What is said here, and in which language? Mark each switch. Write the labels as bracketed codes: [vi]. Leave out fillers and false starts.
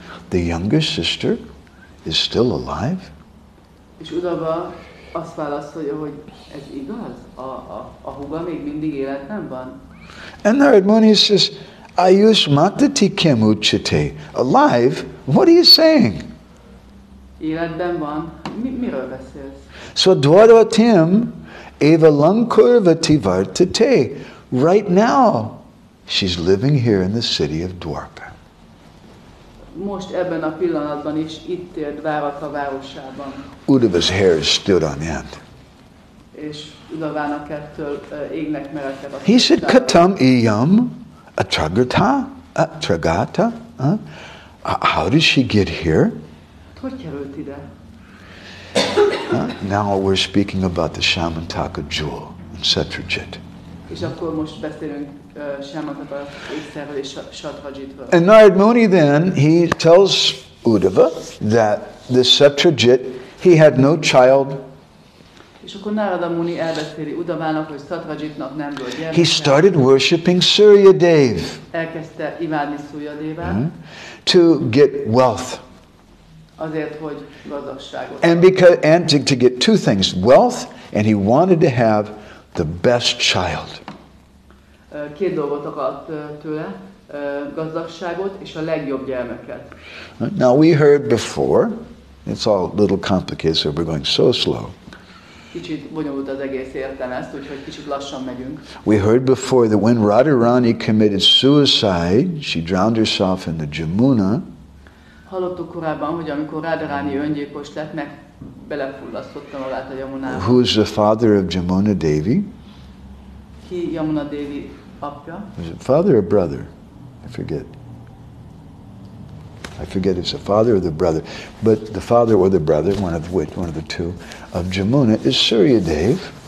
[en] The younger sister is still alive? [hu] És Uddhava azt válaszolja, hogy ez igaz? A húga még mindig életben van? [en] And Narad Muni says, [sa] ayusmatati kim uchite? [en] Alive? What are you saying? [hu] Életben van. Miről beszélsz? [sa] So dvaratim eva lankurvati vartate. [en] Right now, she's living here in the city of Dwarka. [hu] Most ebben a pillanatban is itt él Dwarka városában. [en] Uddhava's hair is stood on end. [hu] És Uddhavának ettől égnek mereked a [en] He said, [sa] katam iyam atragata, atragata, [en] how did she get here? [hu] Hogy került ide? [en] Now we're speaking about the Shamantaka jewel and Satrajit. [hu] És akkor most beszélünk Shamantaka ékszerről és Satrajitről. [en] And Narad Muni then, he tells Uddhava that the Satrajit, he had no child. [hu] És akkor Narada Muni elbeszéli Uddhavának, hogy Satrajitnak nem volt gyermeke. [en] He started worshipping Suryadev. [hu] Elkezdte imádni Suryadevát. [en] To get wealth. [hu] Azért, hogy gazdagságot. [en] And because and to get two things, wealth, and he wanted to have the best child. [hu] Két dolgot akart tőle, gazdagságot és a legjobb gyermeket. [en] Now we heard before, it's all a little complicated, so we're going so slow. [hu] Kicsit bonyolult az egész értelmezt, úgyhogy kicsit lassan megyünk. [en] We heard before that when Radharani committed suicide, she drowned herself in the Jamuna. [hu] Hallottuk korábban, hogy amikor Radharani öngyilkos lett, meg belefulladt a Jamunába. [en] Who is the father of Jamuna Devi? [hu] Ki Jamuna Devi apja? [en] Is it father or brother? I forget. I forget if it's the father or the brother, but the father or the brother, one of the two, of Jamuna is Suryadev.